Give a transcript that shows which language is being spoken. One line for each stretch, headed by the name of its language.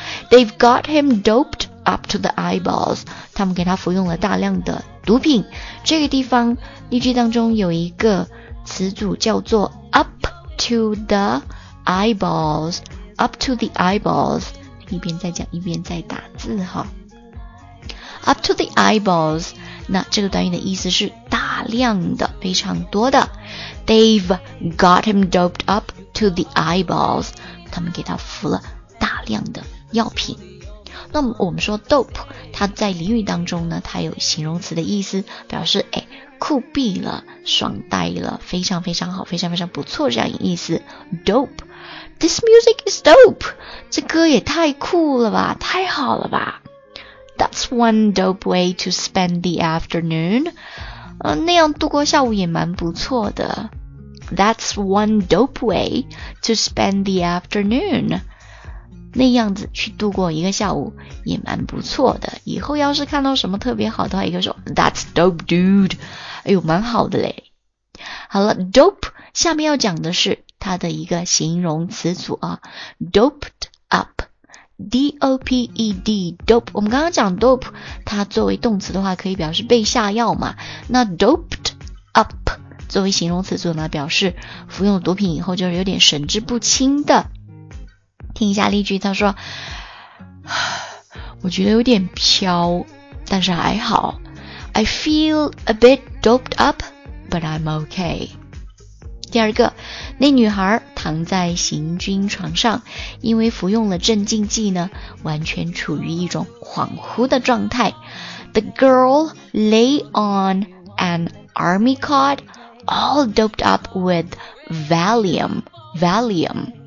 English: They've got him doped up to the eyeballs。
Chinese: 他们给他服用了大量的毒品。这个地方例句当中有一个词组叫做
English: up to the eyeballs，
Chinese: up to the eyeballs。一边在讲一边在打字哈。
English: Up to the eyeballs，
Chinese: 那这个短语的意思是大量的，非常多的。
English: They've got him doped up to the eyeballs，
Chinese: 他们给他服了大量的药品。那么我们说 dope， 它它在俚语当中呢，它有形容词的意思，表示哎，酷毙了，爽呆了，非常非常好，非常非常不错这样的意思。
English: Dope, this music is dope.
Chinese: 这歌也太酷了吧，太好了吧。
English: That's one dope way to spend the afternoon.
Chinese: 那样度过下午也蛮不错的。
English: That's one dope way to spend the afternoon.
Chinese: 那样子去度过一个下午也蛮不错的。以后要是看到什么特别好的话，也可以说
English: That's dope, dude.
Chinese: 哎呦，蛮好的嘞。好了 ，dope 下面要讲的是它的一个形容词组啊 ，
English: doped up,
Chinese: D-O-P-E-D, dope. 我们刚刚讲 dope, 它作为动词的话可以表示被下药嘛。
English: 那 doped up.
Chinese: 作为形容词组呢，表示服用毒品以后就是有点神志不清的。听一下例句，他说：“我觉得有点飘，但是还好。
English: I feel a bit doped up, but I'm okay。”
Chinese: 第二个，那女孩躺在行军床上，因为服用了镇静剂呢，完全处于一种恍惚的状态。
English: The girl lay on an army cot. All doped up with Valium. Valium.